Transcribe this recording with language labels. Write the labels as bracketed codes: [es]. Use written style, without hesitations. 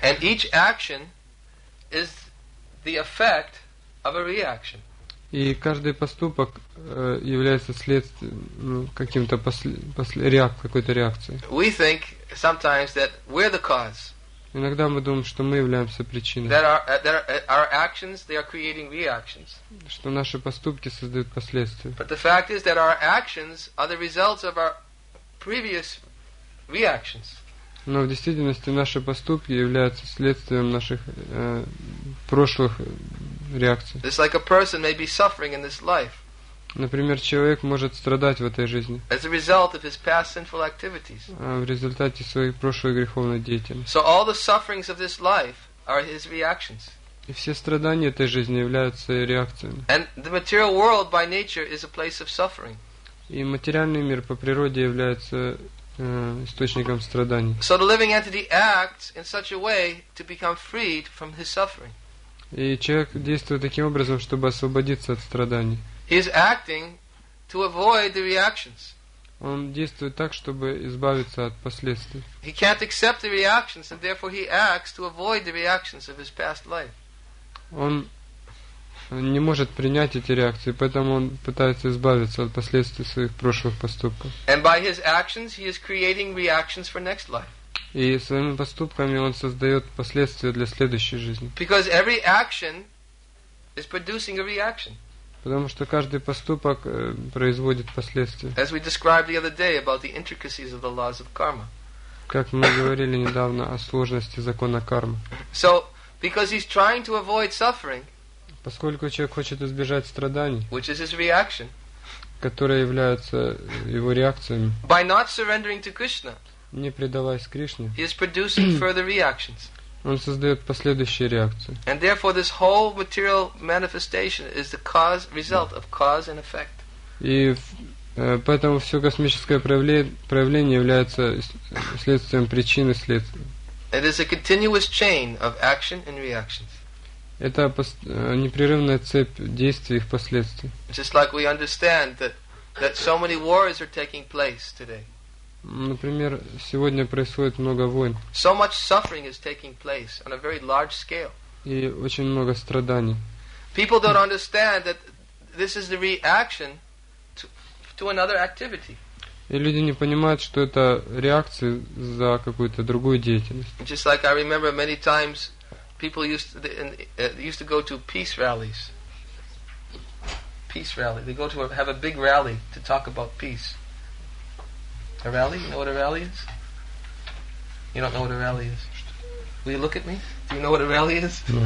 [en] And each action is the effect of a reaction. [ru] И каждый поступок является следствием каким-то какой-то реакции. [en] We think sometimes that we're the cause. [ru] Иногда мы думаем, что мы являемся причиной. [en] That our actions, they are creating reactions. [ru] Что наши поступки создают последствия. [en] But the fact is that our actions are the results of our previous reactions. [ru] Но в действительности наши поступки являются следствием наших прошлых реакций. [en] It's like a person may be suffering in this life. [ru] Например, человек может страдать в этой жизни. [en] As a result of his past sinful activities. [ru] В результате своей прошлой греховной деятельности. [en] So all the sufferings of this life are his reactions. [ru] И все страдания этой жизни являются реакциями. [en] And the material world by nature is a place of suffering. [ru] И материальный мир по природе является источником страданий. [en] So the living entity acts in such a way to become freed from his suffering. [ru] И человек действует таким образом, чтобы освободиться от страданий. [en] He is acting to avoid the reactions. [ru] Он действует так, чтобы избавиться от последствий. [en] He can't accept the reactions, and therefore he acts to avoid the reactions of his past life. [ru] Он не может принять эти реакции, поэтому он пытается избавиться от последствий своих прошлых поступков. [en] And by his actions, he is creating reactions for next life. [ru] И своими поступками он создает последствия для следующей жизни. [en] Because every action is producing a reaction. [ru] Потому что каждый поступок производит последствия. [en] As we described the other day about the intricacies of the laws of karma. [ru] Как мы говорили недавно о сложности закона кармы. [en] So, because he's trying to avoid suffering. [ru] Поскольку человек хочет избежать страданий. [en] Which is his reaction. [ru] Которые являются его реакциями. [en] By not surrendering to Krishna. [ru] Не предаваясь Кришне. [en] He is producing further reactions. [ru] Он создает последующие реакции. [en] And therefore this whole material manifestation is the cause, result of cause and effect. [ru] И поэтому все космическое проявление является следствием причины следствия. [en] It is a continuous chain of action and reactions. [ru] Это непрерывная цепь действий и их последствий. [en] Just like we understand that so many wars are taking place today. [ru] Например, сегодня происходит много войн. [en] So much suffering is taking place on a very large scale. [ru] И очень много страданий. [en] People don't understand that this is the reaction to another activity. [ru] И люди не понимают, что это реакция за какую-то другую деятельность. [en] Just like I remember many times people used to go to peace rallies. Peace rally. They go to have a big rally to talk about peace. A rally? You know what a rally is? You don't know what a rally is? Will you look at me? Do you know what a rally is?